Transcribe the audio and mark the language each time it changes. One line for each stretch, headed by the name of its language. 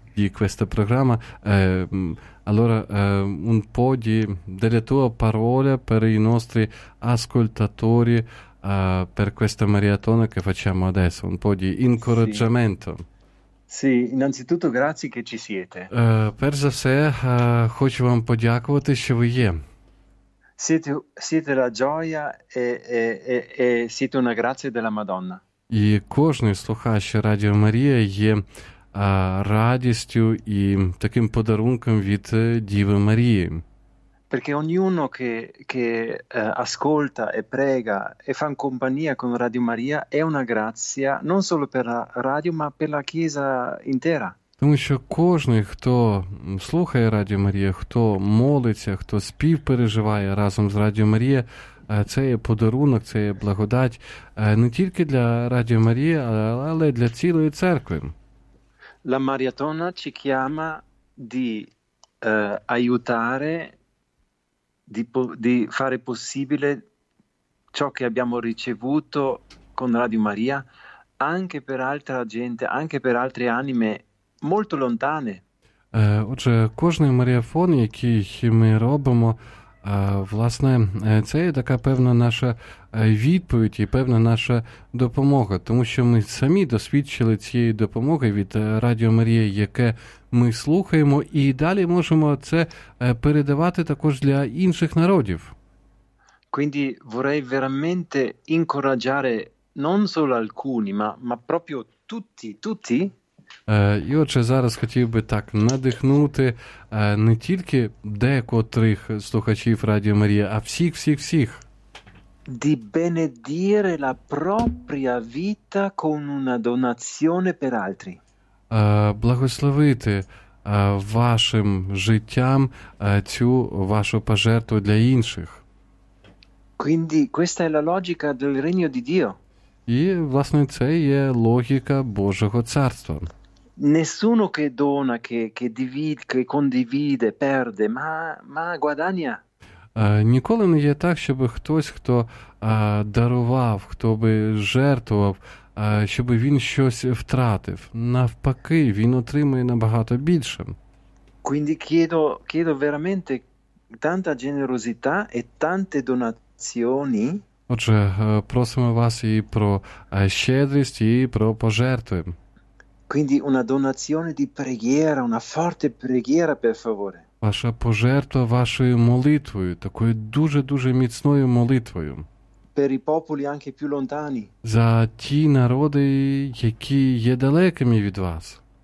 Italian: di questo programma. Allora, un po' di, delle tue parole per i nostri ascoltatori per questa maratona che facciamo adesso, un po' di incoraggiamento. Sì. Sì, innanzitutto grazie che ci siete.
Ukrainian: Per за все, хочу вам подякувати, що ви є.
Italian: Siete la gioia e siete una grazia della Madonna.
Ukrainian: І кожен слухач Радіо Марія є радістю і таким подарунком від Діви Марії.
Italian: Perché ognuno che ascolta e prega e fa compagnia con Radio Maria è una grazia non solo per la radio ma per la Chiesa intera.
Ukrainian: Тому що кожен, хто слухає Радіо Марія, хто молиться, хто спів переживає разом з Радіо Марія, це є подарунок, це є благодать не тільки для Радіо Марії, але для цілої церкви.
Italian: La Maratona ci chiama di aiutare di fare possibile ciò che abbiamo ricevuto con Radio Maria anche per altra gente, anche per altre anime molto lontane.
Ukrainian: Отже, кожен маріафон, який ми робимо, власне, це є така певна наша відповідь і певна наша допомога, тому що ми самі досвідчили цієї допомоги від Радіо Марія, яке ми слухаємо, і далі можемо це передавати також для інших народів.
Italian: Quindi vorrei veramente incoraggiare non solo alcuni, ma proprio tutti.
Ukrainian: І отже, зараз хотів би так надихнути не тільки декотрих слухачів Радіо Марія, а всіх.
Italian: Di benedire la propria vita con una donazione per altri.
Ukrainian: Благословити вашим життям цю вашу пожертву для інших.
Italian: Quindi questa è la logica del Regno di Dio.
Ukrainian: І, власне, це є логіка Божого Царства.
Italian: Nessuno che dona, che divide, che condivide, perde, ma guadagna.
Ukrainian: Ніколи не є так, щоб хтось, хто дарував, хто би жертвував, щоб він щось втратив. Навпаки, він отримує набагато більше.
Italian: Quindi chiedo veramente tanta generosità e tante donazioni.
Ukrainian: Отже, просимо вас і про щедрість, і про пожертви.
Italian: Quindi una donazione di preghiera, una forte preghiera, per favore.
Ukrainian: Ваша пожертва вашою молитвою, такою дуже-дуже міцною молитвою.
Italian: Per i popoli anche più lontani.
Ukrainian: За ті народи, які є далекими від вас.